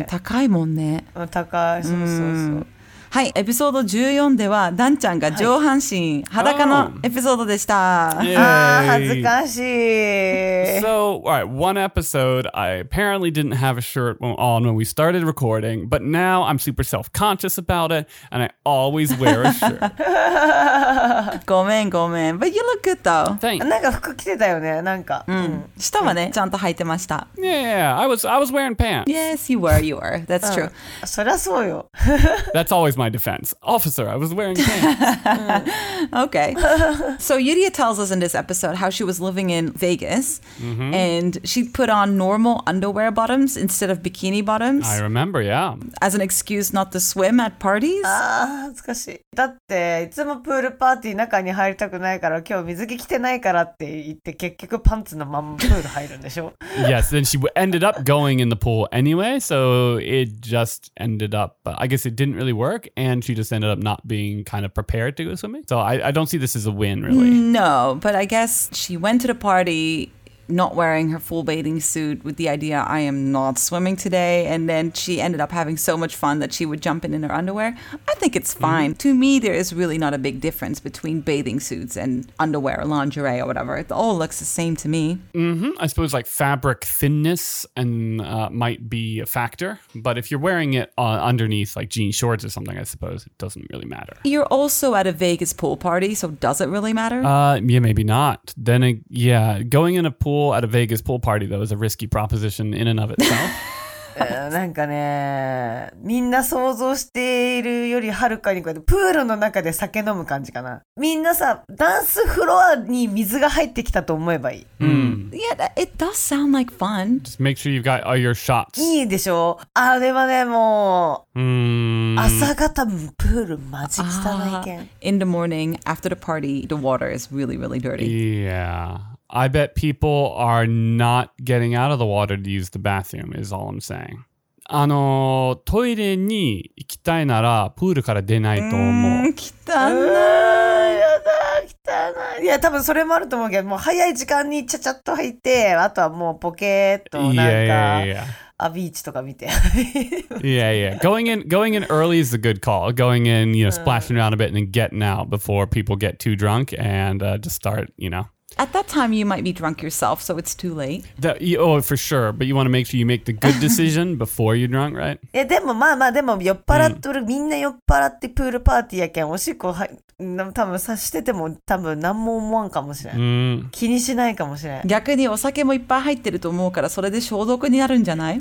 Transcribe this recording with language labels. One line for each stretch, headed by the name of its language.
Japanese: うん、高いもんね高いそうそうそう、うん、はいエピソード14ではダンちゃんが上半身、はい、裸のエピソードでした、 oh. ああ恥ずかしい
English: So, alright, one episode, I apparently didn't have a shirt on when we started recording, but now I'm super self-conscious about it, and I always wear a shirt.
Japanese: ごめんごめん。
English: But you look good, though. Thanks.
Japanese: なんか服着てたよね、なんか。うん。下はね、ちゃんと履いてました。
English: Yeah, I was wearing pants. Yes, you were. That's true.
Japanese: そりゃそうよ。
English: That's always my defense. Officer, I was wearing pants. Okay. So Yuria tells us in this episode how she was living in Vegas. Mm-hmm. And she put on normal underwear bottoms instead of bikini bottoms. I remember, yeah. As an excuse not to swim at parties.
Japanese: Ah, 恥ずかしい。だっていつもプールパーティー中に入りたくないから今日水着着てないからって言って結局パンツのままプール入るんでしょ?
English: Yes, then she ended up going in the pool anyway, so it just ended up, I guess it didn't really work, and she just ended up not being kind of prepared to go swimming. So I don't see this as a win, really. No, but I guess she went to the party... not wearing her full bathing suit with the idea I am not swimming today and then she ended up having so much fun that she would jump in her underwear. I think it's fine. Mm-hmm. To me, there is really not a big difference between bathing suits and underwear or lingerie or whatever. It all looks the same to me. Mm-hmm. I suppose like fabric thinness and, might be a factor, but if you're wearing it underneath like jean shorts or something, I suppose it doesn't really matter. You're also at a Vegas pool party, so does it really matter? Yeah, maybe not. Then, going in a pool at a Vegas pool party though is a risky proposition in and of itself.
Japanese: なんかね、みんな想像しているよりはるかにこうやってプールの中で酒飲む感じかな。みんなさ、ダンスフロアに水が入ってきたと思えばいい。
English: Mm. Yeah, it does sound like fun. Just make sure you've got all your shots.
Japanese: いいでしょ。あれはね、もう、朝方プールマジ汚いけん。
English: In the morning, after the party, the water is really, really dirty. Yeah. I bet people are not getting out of the water to use the bathroom, is all I'm saying.
Japanese: あの、トイレに行きたいなら、プールから出ないと思う。汚い。やだ、汚い。いや、多分それもあると思うけど、もう早い時間にちゃちゃっと入って、あとはもうポケーっとなんか。
English: Yeah.
Japanese: ビーチとか見て。
English: Yeah, yeah. Going in early is a good call. Going in, you know, splashing around a bit and then getting out before people get too drunk and, just start, you know. At that time, you might be drunk yourself, so it's too late. For sure. But you want to make sure you make the good decision before you're drunk, right?
Japanese: Yeah, でもまあまあ、でも酔っ払ってる、みんな酔っ払ってプールパーティーやけん、おしっこ多分さしてても多分何も思わんかもしれん。気にしないかもしれん。逆にお酒もいっぱい入ってると思うから、それで消毒になるんじゃない？